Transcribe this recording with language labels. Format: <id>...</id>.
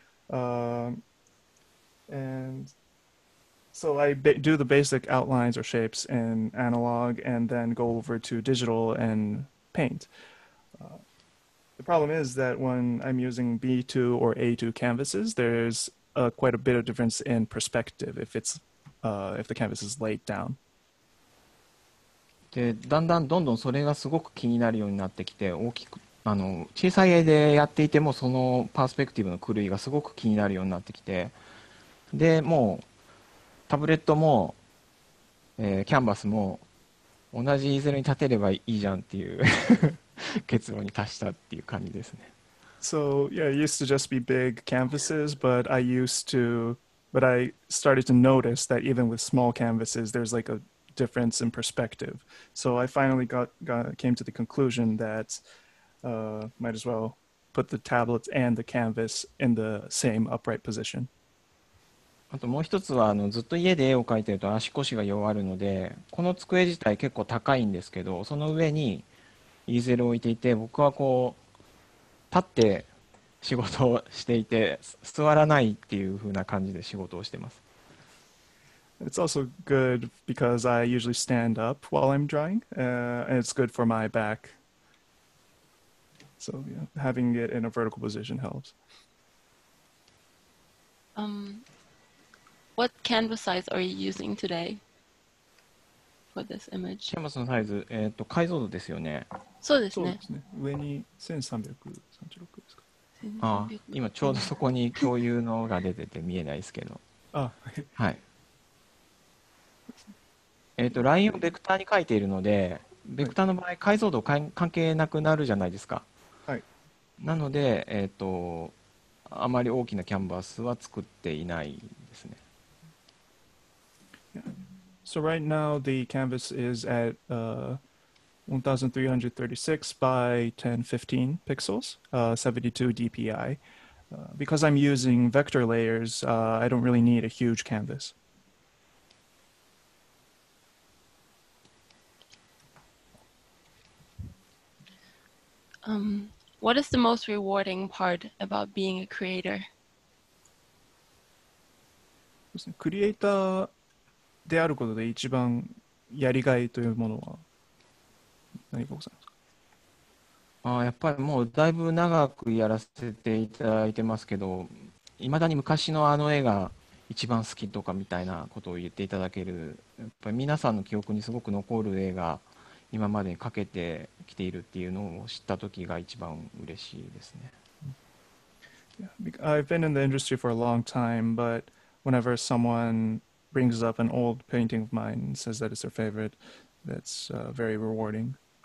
<en>And so I do the basic outlines or shapes in analog and then go over to digital and paint. The problem is that when I'm using B2 or A2 canvases, there's quite a bit of difference in perspective if it's, if the canvas is laid down.</en> <ja>でだんだんどんどんそれがすごく気になるようになってきて、大きく小さい絵でやっていてもそのパースペクティブの狂いがすごく気になるようになってきて、でもうタブレットも、キャンバスも同じイゼルに立てればいいじゃんっていう結論に達したっていう感じですね。</ja> <en>So yeah, it used to just be big canvases, but I used to but I started to notice that even with small canvases there's like aDifference in perspective. So I finally came to the conclusion that might as well put the tablets and the canvas in the same upright position.</en> <ja>あともう一つはずっと家で絵を描いてると足腰が弱るので、この机自体結構高いんですけど、その上にイーゼルを置いていて、僕はこう立って仕事をしていて座らないっていう風な感じで仕事をしてます。</ja> <en>It's also good because I usually stand up while I'm drawing, and it's good for my back. So yeah, having it in a vertical position helps. What canvas size are you using today for this image?</en> <ja>キャンバスのサイズ、解像度ですよね。そうですね。上に1336ですか。今ちょうどそこに共有のが出てて見えないですけど。はい。ラインをベクターに書いているので、ベクターの場合解像度関係なくなるじゃないですか。はい。なのであまり大きなキャンバスは作っていないですね。</ja> <en>So right now the canvas is at 1336 by 1015 pixels, 72 dpi. Because I'm using vector layers, I don't really need a huge canvas What is the most rewarding part about being a creator?</en> <ja>クリエイターであることで一番やりがいというものは何がございますか？ああ、やっぱりもうだいぶ長くやらせていただいてますけど、いまだに昔のあの絵が一番好きとかみたいなことを言っていただける、やっぱり皆さんの記憶にすごく残る絵が今までかけてきているっていうのを知った時が一番嬉しいですね。</ja> <en>Yeah, I've been in the industry for a long time, but whenever someone brings up an old painting of mine and says that it's their favorite, that's very rewarding.</en>